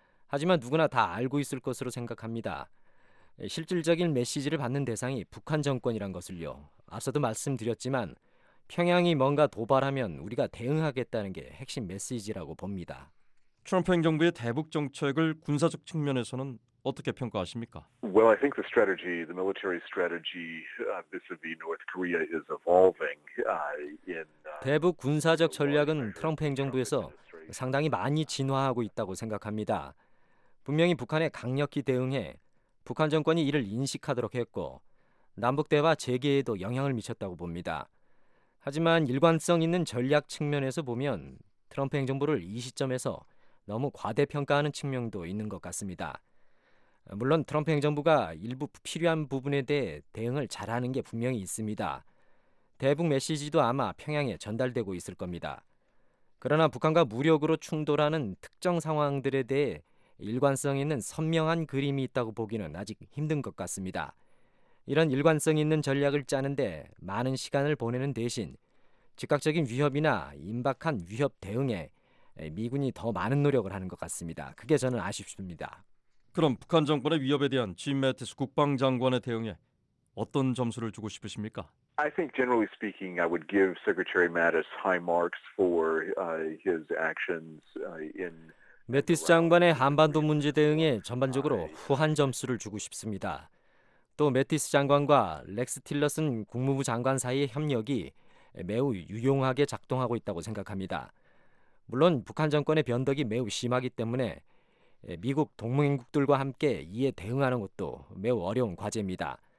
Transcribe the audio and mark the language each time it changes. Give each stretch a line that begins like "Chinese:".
Korean: 하지만 누구나 다 알고 있을 것으로 생각합니다. 실질적인 메시지를 받는 대상이 북한 정권이란 것을요. 앞서도 말씀드렸지만 평양이 뭔가 도발하면 우리가 대응하겠다는 게 핵심 메시지라고 봅니다. 트럼프 행정부의 대북 정책을 군사적 측면에서는 어떻게 평가하십니까?
English: Well, I think the strategy, the military strategy vis-a-vis North Korea is evolving.
Korean: 대북 군사적 전략은 트럼프 행정부에서 상당히 많이 진화하고 있다고 생각합니다. 분명히 북한에 강력히 대응해 북한 정권이 이를 인식하도록 했고 남북 대화 재개에도 영향을 미쳤다고 봅니다. 하지만 일관성 있는 전략 측면에서 보면 트럼프 행정부를 이 시점에서 너무 과대평가하는 측면도 있는 것 같습니다. 물론 트럼프 행정부가 일부 필요한 부분에 대해 대응을 잘하는 게 분명히 있습니다. 대북 메시지도 아마 평양에 전달되고 있을 겁니다. 그러나 북한과 무력으로 충돌하는 특정 상황들에 대해 일관성 있는 선명한 그림이 있다고 보기는 아직 힘든 것 같습니다. 이런 일관성 있는 전략을 짜는데 많은 시간을 보내는 대신 즉각적인 위협이나 임박한 위협 대응에 미군이 더 많은 노력을 하는 것 같습니다. 그게 저는 아쉽습니다. 그럼 북한 정권의 위협에 대한 짐 매티스 국방장관의 대응에 어떤 점수를 주고 싶으십니까?
English: I think generally speaking, I would give Secretary Mattis high marks for his actions in
Korean: 매티스 장관의 한반도 문제 대응에 전반적으로 후한 점수를 주고 싶습니다. 또 매티스 장관과 렉스 틸러슨 국무부 장관 사이의 협력이 매우 유용하게 작동하고 있다고 생각합니다. 물론 북한 정권의 변덕이 매우 심하기 때문에 미국 동맹국들과 함께 이에 대응하는 것도 매우 어려운 과제입니다.